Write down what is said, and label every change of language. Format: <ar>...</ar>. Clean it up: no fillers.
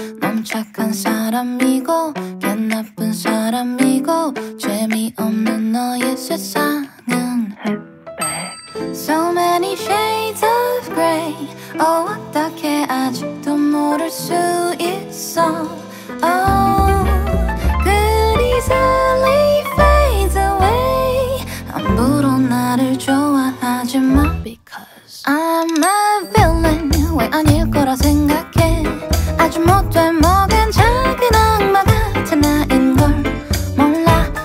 <ko>넌 착한 사람이고, 걘 나쁜 사람이고, 재미없는 너의 세상.</ko> <en>So many shades of gray.</en> <ko>Oh, 어떻게 아직도 모를 수 있어.</ko> <en>Oh, good easily fades away.</en> <ko>아무도 나를 좋아하지 마.</ko> <en>Because I'm a villain.</en> <ko>왜 아닐 거라 생각해. 아주 못돼 먹은 작은 악마 같은 나인 걸 몰라.</ko>